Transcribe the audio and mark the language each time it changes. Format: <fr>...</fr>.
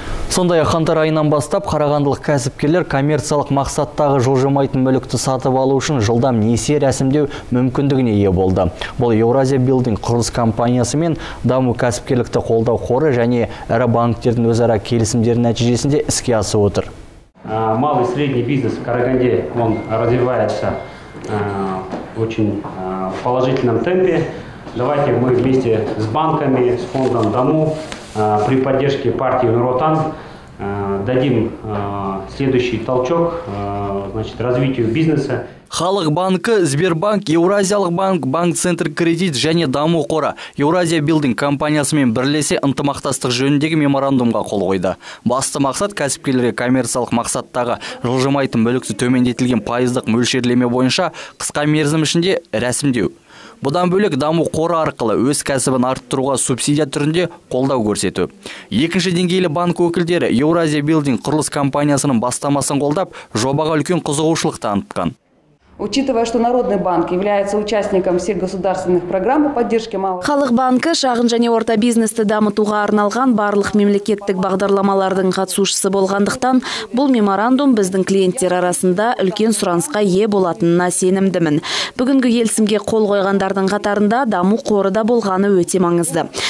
<kk>Сондай қаңтар айынан бастап қарағандылық кәсіпкерлер коммерциялық мақсаттағы жылжымайтын мүлікті сатып алу үшін жылдам несие рәсімдеу мүмкіндігіне ие болды. Бұл Еуразия Билдинг құрылыс компаниясы мен Даму кәсіпкерлікті қолдау қоры және ірі банктердің өзара келісімдері нәтижесінде іске асып отыр.</kk> <ru>Малый средний бизнес в Караганде он развивается очень положительном темпе. Давайте мы вместе с банками, с фондом Даму при поддержке партии «Нур Отан» дадим следующий толчок развитию бизнеса.</ru> <kk>Халық банкі, Сбербанк, Еуразиялық банк, Банк Центр Кредит және Даму қоры Еуразия Билдинг компаниясымен бірлесе ынтымақтастық жөніндегі меморандумға қол қойды. Басты мақсат кәсіпкерлерге коммерциялық мақсаттағы жылжымайтын мүлікті төмендетілген пайыздық мөлшерлеме бойынша қысқа мерзім ішінде рәсімдеу. Бұдан бөлек даму қоры арқылы өз кәсібін арттыруға субсидия түрінде қолдау көрсету. Екінші деңгейлі банк өкілдері Еуразия Билдинг құрылыс компаниясының бастамасын қолдап, жобаға үлкен қызығушылық танытқан.</kk> <ru>Учитывая, что Народный банк является участником всех государственных программ поддержки малых.</ru> <kk>Халық банкі шағын және орта бизнесті дамытуға арналған барлық мемлекеттік бағдарламалардың қатысушысы болғандықтан, бұл меморандум біздің клиенттер арасында үлкен сұранысқа ие болатынына сенімдімін. Бүгінгі келісімге қол қойғандардың қатарында даму қоры да болғаны өте маңызды.</kk>